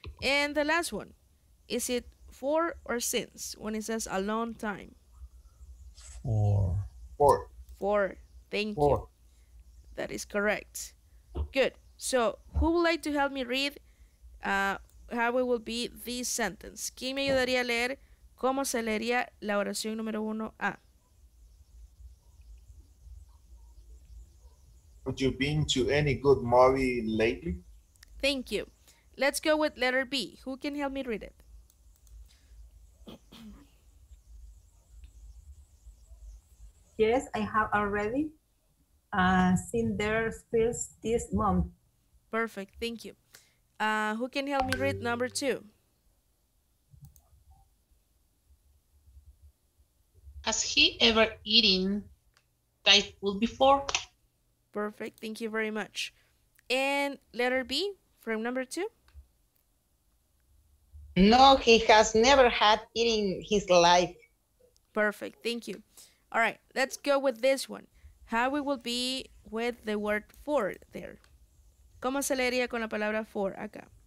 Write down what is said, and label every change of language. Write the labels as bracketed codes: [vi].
[en] And the last one, is it for or since when it says a long time? For. Four. Thank you. That is correct. Good. So who would like to help me read how it will be this sentence? [es] ¿Quién me ayudaría a leer cómo se leería la oración número uno A? [en] Have you been to any good movie lately? Thank you. Let's go with letter B. Who can help me read it? Yes, I have already seen their films this month. Perfect, thank you. Who can help me read number two? Has he ever eaten Thai food before? Perfect, thank you very much. And letter B from number two? No, he has never had eating his life. Perfect, thank you. All right, let's go with this one. How it will be with the word for there? [es] ¿Cómo se leería con la palabra for acá?